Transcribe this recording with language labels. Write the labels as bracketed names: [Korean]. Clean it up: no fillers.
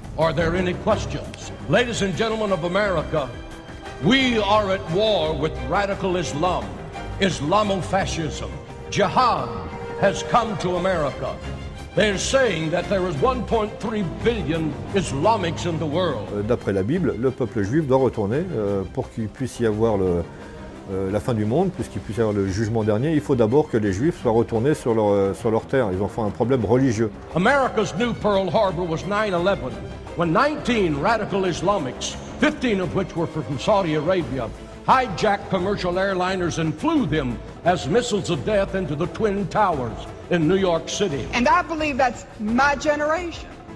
[English] Are there any questions? Ladies and gentlemen of America, we are at war with radical Islam, Islamofascism. Jihad has come to America. They're saying that there is 1.3 billion Islamics in the world. [French] D'après la Bible, le peuple juif doit retourner pour qu'il puisse y avoir la fin du monde, puisqu'il puisse y avoir le jugement dernier. Il faut d'abord que les Juifs soient retournés sur leur terre. Ils ont fait un problème religieux. [English] America's new Pearl Harbor was 9/11, when 19 radical Islamics, 15 of which were from Saudi Arabia, hijacked commercial airliners and flew them as missiles of death into the Twin Towers in New York City. And I believe that's my generation.